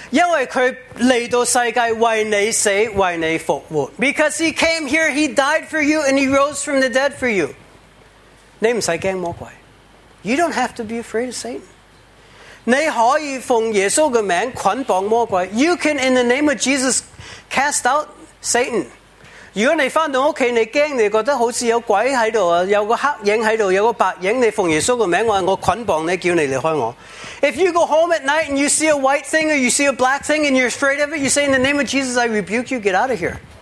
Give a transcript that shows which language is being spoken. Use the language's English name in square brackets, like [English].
[Chinese] 因为他来到世界为你死，为你复活。 [English] Because he came here, he died for you, and he rose from the dead for you. [Chinese] 你不用怕魔鬼。 [English] You don't have to be afraid of Satan. [Chinese] 你可以奉耶稣的名捆绑魔鬼。 [English] You can, in the name of Jesus, cast out Satan. [Chinese] 如果你回到家，你怕，你觉得好像有鬼在，有个黑影在，有个白影，你奉耶稣的名，我捆绑你，叫你离开我。 [English] If you go home at night and you see a white thing or you see a black thing and you're afraid of it, you say, in the name of Jesus, I rebuke you, get out of here.